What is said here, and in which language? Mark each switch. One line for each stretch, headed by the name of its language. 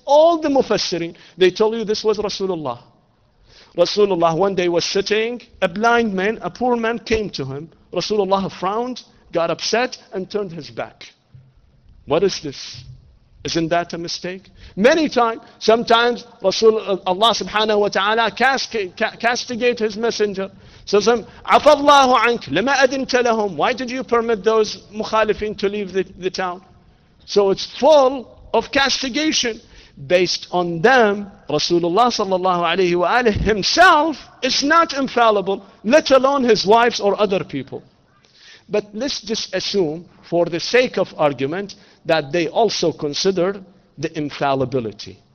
English: All the mufassirin, they tell you this was Rasulullah. Rasulullah one day was sitting, a blind man, a poor man came to him. Rasulullah frowned, got upset, and turned his back. What is this? Isn't that a mistake? Many times, sometimes Allah subhanahu wa ta'ala castigate his messenger. So some,
Arabic: عَفَ اللَّهُ عَنْكَ لَمَا أَدِنْتَ لَهُمْ.
English: Why did you permit those mukhalifin to leave the town? So it's full of castigation. Based on them, Rasulullah sallallahu alayhi wa alayhi himself is not infallible, let alone his wives or other people. But let's just assume, for the sake of argument, that they also consider the infallibility.